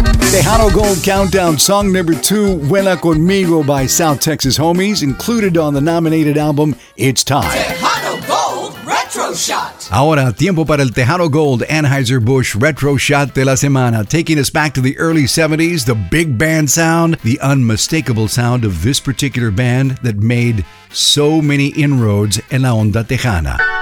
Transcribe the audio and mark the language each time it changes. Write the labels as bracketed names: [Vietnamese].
[English] Tejano Gold Countdown song number 2, Vuela Conmigo by South Texas Homies, included on the nominated album, It's Time. Tejano Gold Retro Shot. [Spanish] Ahora, tiempo para el Tejano Gold Anheuser-Busch Retro Shot de la Semana. [English] Taking us back to the early 70s, the big band sound, the unmistakable sound of this particular band that made so many inroads [Spanish] en la onda tejana.